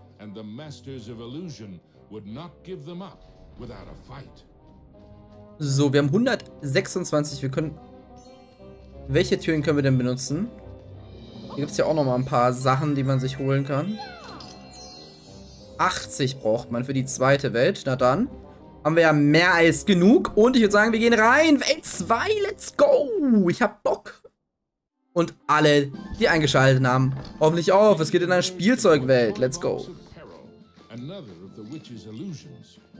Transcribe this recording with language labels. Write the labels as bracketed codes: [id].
[en] And the Masters of Illusion would not give them up without a fight. [de] So, wir haben 126. Wir können. Welche Türen können wir denn benutzen? Hier gibt es ja auch noch mal ein paar Sachen, die man sich holen kann. 80 braucht man für die zweite Welt. Na dann. Haben wir ja mehr als genug. Und ich würde sagen, wir gehen rein. Welt 2, [en] let's go. [de] Ich hab Bock. Und alle, die eingeschaltet haben, hoffentlich auch. Es geht in eine Spielzeugwelt. [en] Let's go. Another of the witch's illusions.